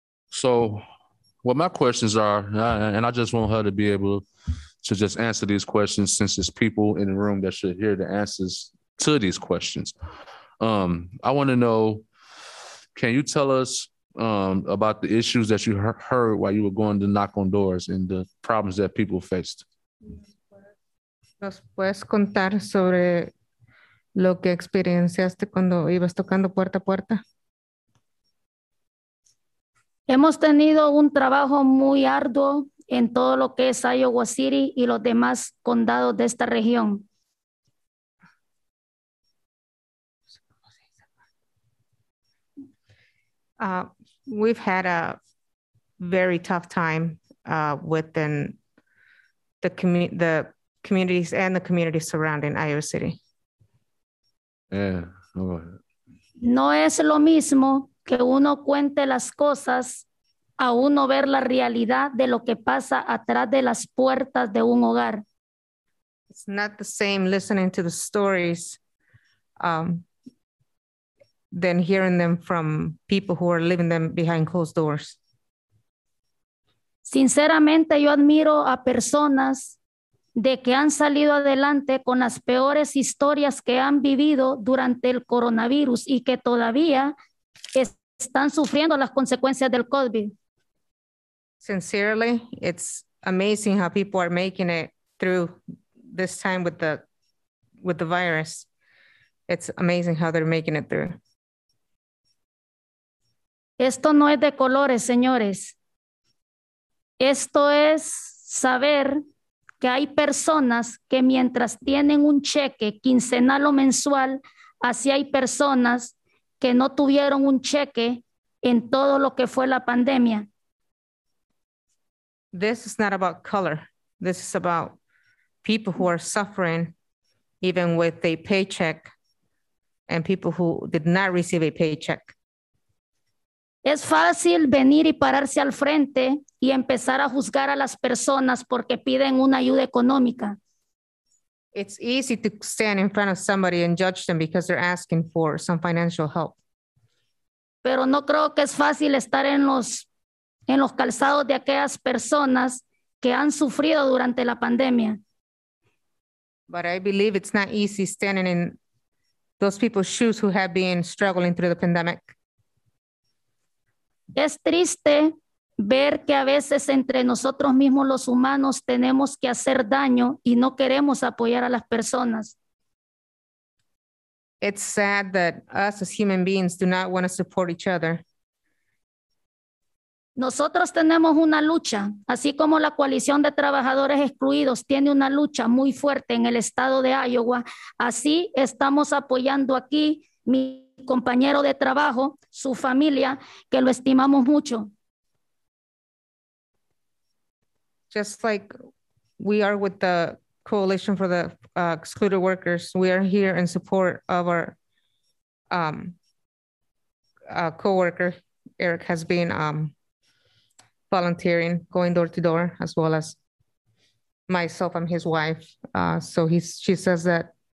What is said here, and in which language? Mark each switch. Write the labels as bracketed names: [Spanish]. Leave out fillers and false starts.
[English] So what my questions are, and I just want her to be able to just answer these questions since there's people in the room that should hear the answers to these questions. I want to know, can you tell us about the issues that you heard while you were going to knock on doors and the problems that people faced? [Spanish] ¿Nos puedes contar sobre lo que experienciaste cuando ibas tocando puerta a puerta? Hemos tenido un trabajo muy arduo en todo lo que es Iowa City y los demás condados de esta región. [English] We've had a very tough time within the communities and the communities surrounding Iowa City. Yeah. [Spanish] No es lo mismo que uno cuente las cosas a uno ver la realidad de lo que pasa atrás de las puertas de un hogar. [English] It's not the same listening to the stories than hearing them from people who are living them behind closed doors. [Spanish] Sinceramente, yo admiro a personas de que han salido adelante con las peores historias que han vivido durante el coronavirus y que todavía están sufriendo las consecuencias del COVID. [English] Sincerely, it's amazing how people are making it through this time with the virus. It's amazing how they're making it through. [Spanish] Esto no es de colores, señores. Esto es saber que hay personas que mientras tienen un cheque quincenal o mensual, así hay personas que no tuvieron un cheque en todo lo que fue la pandemia. [English] This is not about color. This is about people who are suffering even with a paycheck and people who did not receive a paycheck. [Spanish] Es fácil venir y pararse al frente y empezar a juzgar a las personas porque piden una ayuda económica. [English] It's easy to stand in front of somebody and judge them because they're asking for some financial help. [Spanish] Pero no creo que es fácil estar en los calzados de aquellas personas que han sufrido durante la pandemia. [English] But I believe it's not easy standing in those people's shoes who have been struggling through the pandemic. [Spanish] Es triste ver que a veces entre nosotros mismos los humanos tenemos que hacer daño y no queremos apoyar a las personas. [English] It's sad that us as human beings do not want to support each other. [Spanish] Nosotros tenemos una lucha, así como la coalición de trabajadores excluidos tiene una lucha muy fuerte en el estado de Iowa, así estamos apoyando aquí mi compañero de trabajo, su familia, que lo estimamos mucho. [English] Just like we are with the Coalition for the Excluded Workers, we are here in support of our co-worker. Eric has been volunteering, going door to door, as well as myself. I'm his wife. So she says that